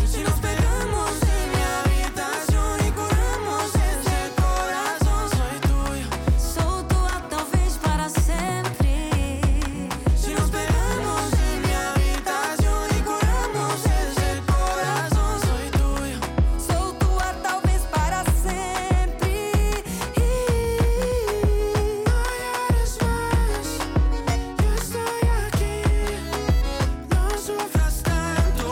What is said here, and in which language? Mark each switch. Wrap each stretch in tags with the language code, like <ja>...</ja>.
<es>Si nos pegamos en mi habitación y curamos ese corazón, soy tuyo.</es> <pt>Sou tua, talvez para</pt> <es>siempre. Si nos pegamos en mi habitación y curamos ese corazón, soy tuyo.</es> <pt>Sou tua, talvez para</pt> <es>siempre. Yo estoy aquí, no sufras tanto.</es>